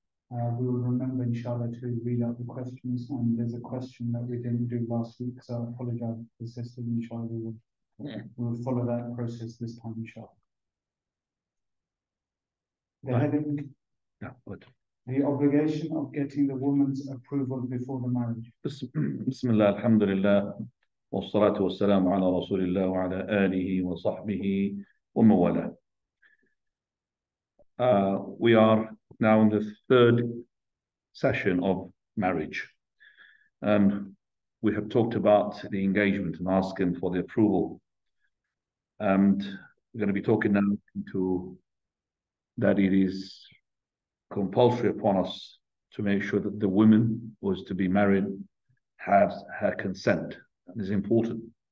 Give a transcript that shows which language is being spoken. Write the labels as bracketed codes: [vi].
[en] We will remember, inshallah, to read out the questions. And there's a question that we didn't do last week, so I apologize to the sisters, inshallah. We'll follow that process this time, inshallah. The heading, the obligation of getting the woman's approval before the marriage. Bismillah, alhamdulillah. [ar] والصلاة والسلام على رسول الله وعلى آله وصحبه ومواله. [en] We are now in the third session of marriage. And we have talked about the engagement and asking for the approval. And we're going to be talking now to that it is compulsory upon us to make sure that the woman who is to be married has her consent. Is important.